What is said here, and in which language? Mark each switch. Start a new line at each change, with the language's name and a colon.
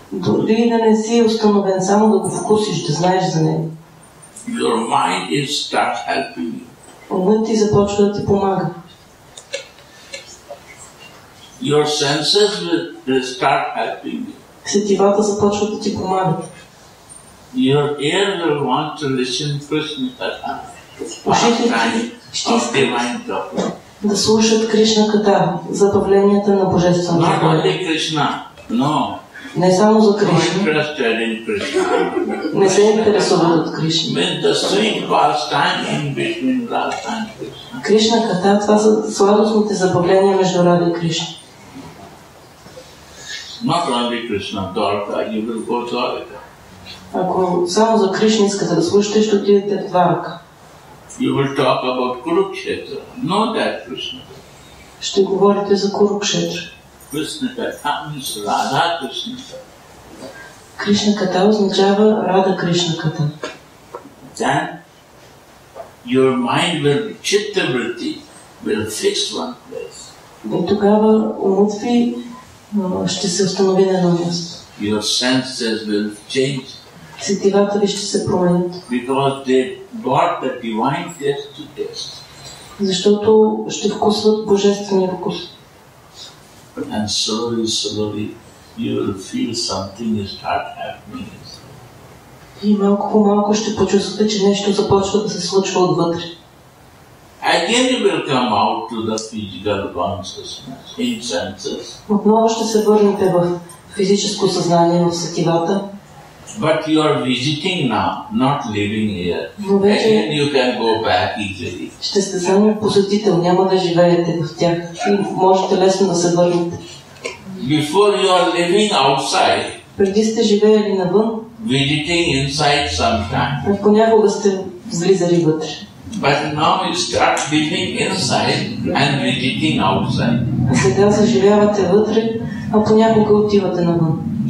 Bulgarian: Дори да не си установен, само да го вкусиш, да знаеш за него.
English: Your mind is start helping you.
Bulgarian: Умът ти започва да ти помага.
English: Your senses will start helping you.
Bulgarian: Сетивата започват да ти помагат.
English: Your ear will want to listen Krishna Katha.
Bulgarian: Ушите ти ще искат да слушат Кришна Ката, забавленията на Божествената воля.
English: Not only Krishna, no.
Bulgarian: Не само за Кришна.
English: Interested in Krishna.
Bulgarian: Не се интересуват от Кришна.
English: Means the sweet pastime in between Radha and Krishna.
Bulgarian: Кришна Ката, това са сладостните забавления между Радха и Кришна.
English: Not only Krishna, Dwarka, you will go to Dwarka.
Bulgarian: Ако само за Кришна искате да слушате, ще отидете в Дварка.
English: You will talk about Kurukshetra, not that Krishna.
Bulgarian: Ще говорите за Kurukshetra.
English: Krishna Katha means Radha Krishna.
Bulgarian: Кришна Ката означава Радха Кришна Ката.
English: Then your mind will be chitta vritti, will fix one place.
Bulgarian: И тогава умът ви ще се установи на едно място.
English: Your senses will change.
Bulgarian: Сетивата ви ще се променят.
English: Because they brought the divine test to test.
Bulgarian: защото ще вкусват божествения вкус.
English: And slowly, slowly, you will feel something is not happening.
Bulgarian: И малко по малко ще почувствате, че нещо започва да се случва отвътре.
English: Again you will come out to the physical consciousness, in senses.
Bulgarian: Отново ще се върнете в физическо съзнание, в сетивата.
English: But you are visiting now, not living here.
Bulgarian: Вече,
English: again you can go back easily.
Bulgarian: Ще сте само посетител, няма да живеете в тях. Можете лесно да се върнете.
English: Before you are living outside,
Bulgarian: преди сте живеели навън,
English: visiting inside sometimes.
Bulgarian: Ако някога сте влизали вътре.
English: But now you start living inside and visiting outside.
Bulgarian: А сега заживявате вътре, а понякога отивате навън.